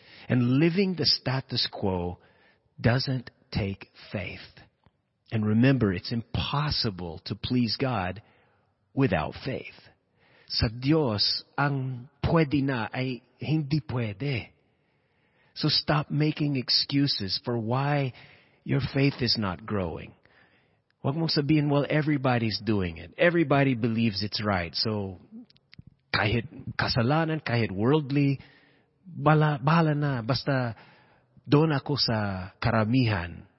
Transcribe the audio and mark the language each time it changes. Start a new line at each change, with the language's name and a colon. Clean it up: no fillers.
English: And living the status quo doesn't take faith. And remember, it's impossible to please God without faith.
Filipino: Sa Diyos, ang pwede na ay hindi pwede.
English: So stop making excuses for why your faith is not growing.
Filipino: Huwag mong sabihin,
English: well, everybody's doing it. Everybody believes it's right. So
Filipino: kahit kasalanan, kahit worldly, bahala na, basta doon ako sa karamihan.